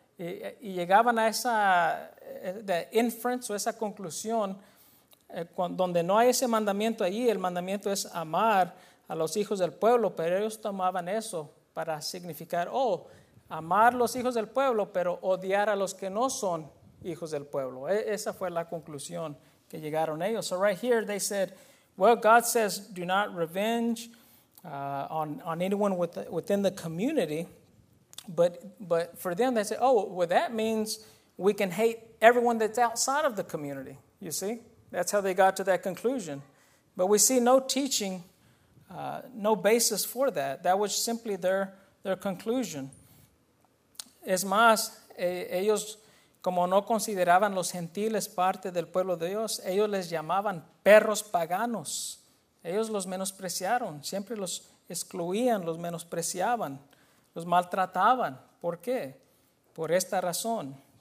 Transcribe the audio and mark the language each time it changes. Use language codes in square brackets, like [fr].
[es] Y llegaban a esa [en] the inference [es] o esa conclusión, donde no hay ese mandamiento allí, el mandamiento es amar a los hijos del pueblo, pero ellos tomaban eso para significar, oh, amar los hijos del pueblo, pero odiar a los que no son hijos del pueblo. Esa fue la conclusión que llegaron ellos. [en] So right here they said, well, God says, do not revenge on anyone within the community. But for them, they say, oh, well, that means we can hate everyone that's outside of the community. You see, that's how they got to that conclusion. But we see no teaching, no basis for that. That was simply their conclusion. [es] Es más, ellos, como no consideraban los gentiles parte del pueblo de Dios, ellos les llamaban perros paganos. Ellos los menospreciaron, siempre los excluían, los menospreciaban. Los maltrataban. ¿Por qué? Por esta razón.